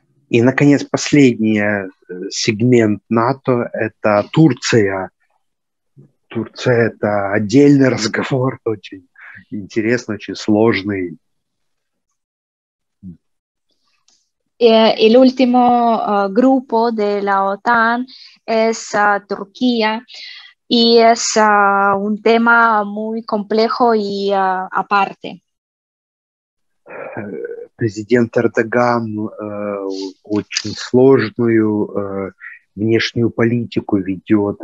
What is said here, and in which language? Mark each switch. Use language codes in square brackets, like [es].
[ru] И, наконец, последний сегмент НАТО – это Турция. Турция – это отдельный разговор, очень интересный, очень сложный. [es] El último grupo de la OTAN es Turquía y es un tema muy complejo y aparte. [ru] Президент Эрдоган очень сложную внешнюю политику ведет.